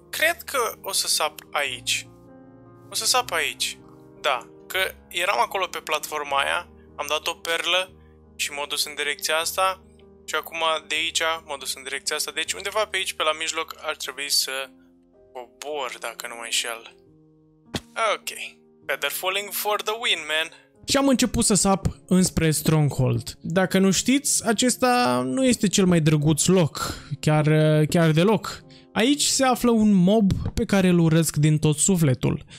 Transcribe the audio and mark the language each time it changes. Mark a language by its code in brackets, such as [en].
[ro] Cred că o să sap aici. O să sap aici. Da, că eram acolo pe platforma aia, am dat o perlă și m-a dus în direcția asta și acum de aici m-a dus în direcția asta. Deci undeva pe aici, pe la mijloc, ar trebui să cobor, dacă nu mă înșel. Ok. [en] Better falling for the win, man. [ro] Și am început să sap înspre Stronghold. Dacă nu știți, acesta nu este cel mai drăguț loc. Chiar deloc. Aici se află un mob pe care îl urăsc din tot sufletul.